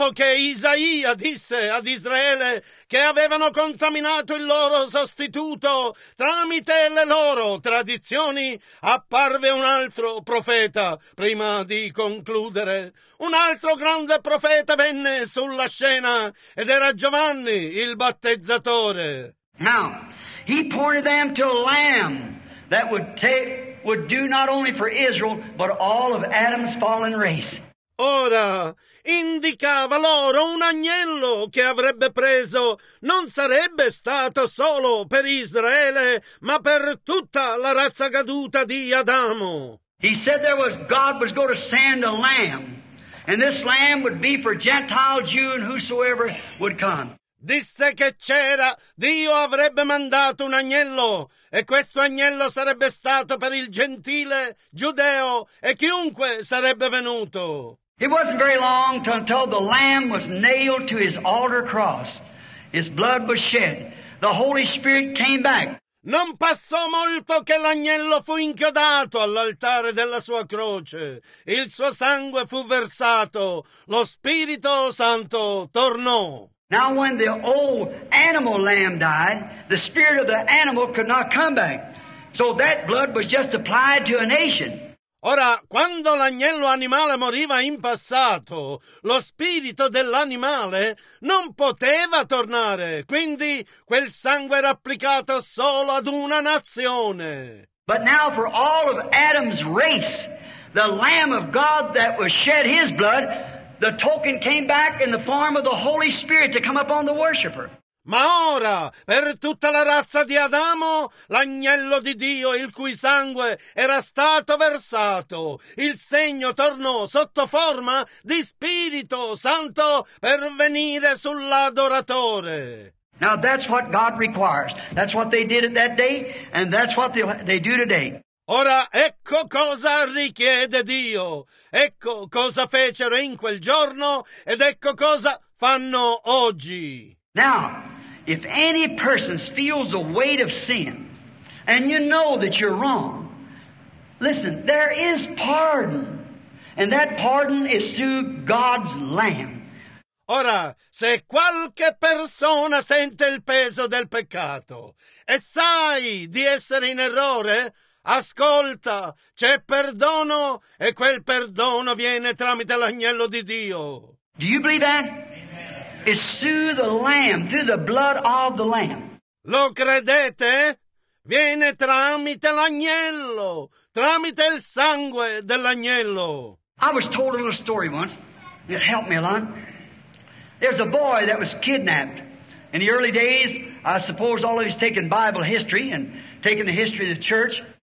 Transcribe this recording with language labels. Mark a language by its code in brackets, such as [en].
[it] Dopo che Isaia disse ad Israele che avevano contaminato il loro sostituto tramite le loro tradizioni, apparve un altro profeta prima di concludere. Un altro grande profeta venne sulla scena ed era Giovanni il Battezzatore. [en] Now, he pointed them to a lamb that would do not only for Israel, but all of Adam's fallen race. [it] Ora, indicava loro un agnello che avrebbe preso, non sarebbe stato solo per Israele, ma per tutta la razza caduta di Adamo. [en] He said there was, God was going to send a lamb, and this lamb would be for Gentile, Jew, and whosoever would come. [it] Disse che c'era, Dio avrebbe mandato un agnello, e questo agnello sarebbe stato per il gentile, giudeo, e chiunque sarebbe venuto. [en] It wasn't very long until the lamb was nailed to his altar cross. His blood was shed. The Holy Spirit came back. [it] Non passò molto che l'agnello fu inchiodato all'altare della sua croce. Il suo sangue fu versato. Lo Spirito Santo tornò. [en] Now when the old animal lamb died, the spirit of the animal could not come back. So that blood was just applied to a nation. [it] Ora, quando l'agnello animale moriva in passato, lo spirito dell'animale non poteva tornare. Quindi quel sangue era applicato solo ad una nazione. [en] But now for all of Adam's race, the Lamb of God that was shed his blood, the token came back in the form of the Holy Spirit to come upon the worshiper. [it] Ma ora, per tutta la razza di Adamo, l'agnello di Dio, il cui sangue era stato versato, il segno tornò sotto forma di Spirito Santo per venire sull'adoratore. [en] Now that's what God requires. That's what they did at that day, and that's what they do today. [it] Ora ecco cosa richiede Dio. Ecco cosa fecero in quel giorno, ed ecco cosa fanno oggi. [en] Now, if any person feels the weight of sin, and you know that you're wrong, listen, there is pardon, and that pardon is through God's Lamb. [it] Ora, se qualche persona sente il peso del peccato, e sai di essere in errore, ascolta, c'è perdono, e quel perdono viene tramite l'agnello di Dio. [en] Do you believe that? Is through the Lamb, through the blood of the Lamb. [it] Lo credete? Viene tramite l'agnello, tramite il sangue dell'agnello. [en] I was told a little story once. It helped me a lot. There's a boy that was kidnapped. In the early days, I suppose all of he's taken Bible history and taken the history of the church.